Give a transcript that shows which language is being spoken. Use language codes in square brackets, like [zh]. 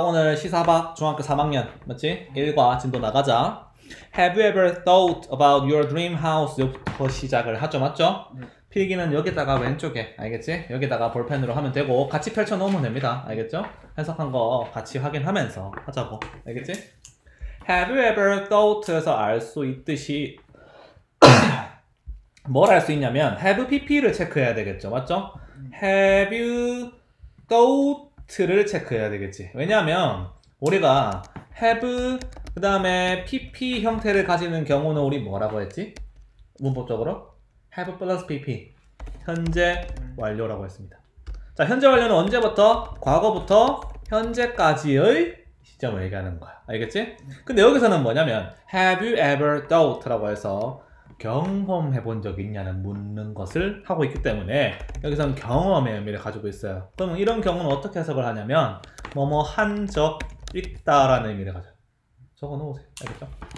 [ko] 오늘 시사박 중학교 3학년 맞지? 1과 진도 나가자. [en] Have you ever thought about your dream house? [ko] 부터 시작을 하죠. 맞죠? 필기는 여기다가 왼쪽에, 알겠지? 여기다가 볼펜으로 하면 되고 같이 펼쳐놓으면 됩니다. 알겠죠? 해석한 거 같이 확인하면서 하자고. 알겠지? [en] Have you ever thought [ko] 에서 알 수 있듯이 뭘 알 수 있냐면 Have PP를 체크해야 되겠죠. 맞죠? [en] Have you thought [ko] 를 체크해야 되겠지. 왜냐하면 우리가 Have 그 다음에 PP 형태를 가지는 경우는 우리 뭐라고 했지? 문법적으로? Have plus PP 현재 완료라고 했습니다. 자, 현재 완료는 언제부터? 과거부터 현재까지의 시점을 얘기하는 거야. 알겠지? 근데 여기서는 뭐냐면 [en] Have you ever thought? [ko] 라고 해서 경험해 본 적 있냐는 묻는 것을 하고 있기 때문에 여기서는 경험의 의미를 가지고 있어요. 그러면 이런 경우는 어떻게 해석을 하냐면 뭐뭐 한 적 있다라는 의미를 가져요. 적어 놓으세요. 알겠죠?